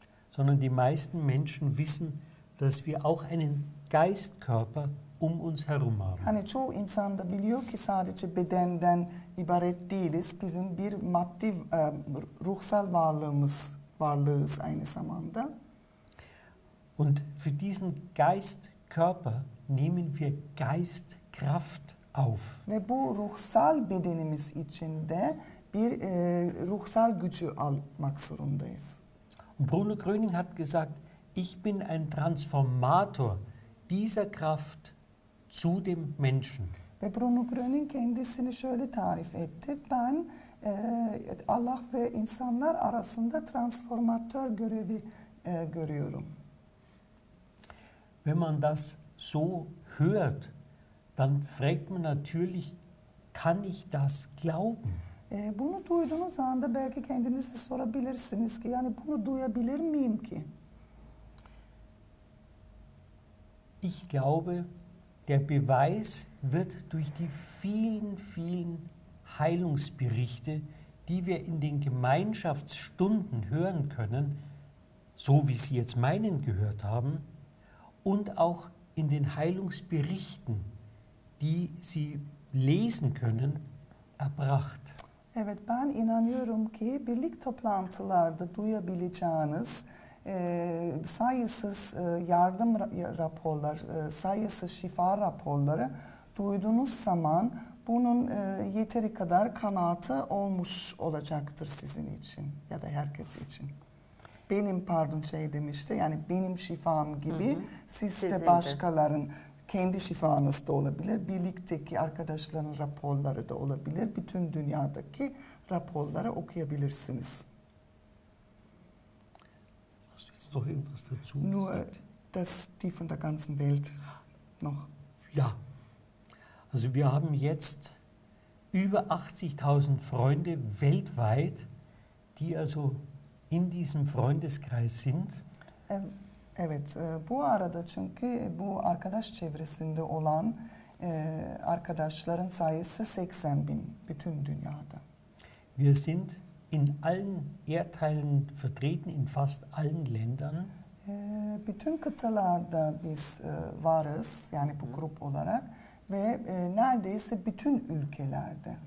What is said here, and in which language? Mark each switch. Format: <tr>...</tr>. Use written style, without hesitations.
<de>Sondern die meisten Menschen wissen, dass wir auch einen Geistkörper um uns herum haben.</de> <tr>Yani çoğu insan da biliyor ki sadece bedenden ibaret değiliz. Bizim bir maddi ruhsal varlığımız aynı zamanda.</tr> <de>Und für diesen Geistkörper nehmen wir Geistkraft auf.</de> <tr>Ve bu ruhsal bedenimiz içinde bir ruhsal gücü almak zorundayız.</tr> <de>Bruno Gröning hat gesagt, ich bin ein Transformator dieser Kraft zu dem Menschen.</de> <tr>Ve Bruno Gröning kendisini şöyle tarif etti. Ben Allah ve insanlar arasında transformatör görevi görüyorum.</tr> <de>Wenn man das so hört, dann fragt man natürlich, kann ich das glauben?</de> <tr>Bunu duyduğunuz anda belki kendinizi sorabilirsiniz ki, yani bunu duyabilir miyim ki?</tr> <de>Ich glaube, der Beweis wird durch die vielen, vielen Heilungsberichte, die wir in den Gemeinschaftsstunden hören können, so wie Sie jetzt meinen gehört haben, und auch in den Heilungsberichten, die Sie lesen können, erbracht.</de> <tr>Evet, ben inanıyorum ki birlik toplantılarda duyabileceğiniz sayısız yardım raporları, sayısız şifa raporları duyduğunuz zaman bunun yeteri kadar kanaati olmuş olacaktır sizin için ya da herkes için. Benim pardon şey demişti, yani benim şifam gibi siz de başkaların kendi şifanız da olabilir, birlikteki arkadaşların raporları da olabilir, bütün dünyadaki raporları okuyabilirsiniz.</tr> <de>Hast du jetzt noch irgendwas dazu? Nur das die von der ganzen Welt noch. Ja, also wir haben jetzt über 80.000 Freunde weltweit, die also in diesem Freundeskreis sind.</de> <tr>Evet, bu arada çünkü bu arkadaş çevresinde olan arkadaşların sayısı 80 bin bütün dünyada.</tr> <de>Wir sind in allen Erdteilen vertreten, in fast allen Ländern.</de> <tr>Bütün kıtalarda biz varız, yani bu grup olarak ve neredeyse bütün ülkelerde.</tr>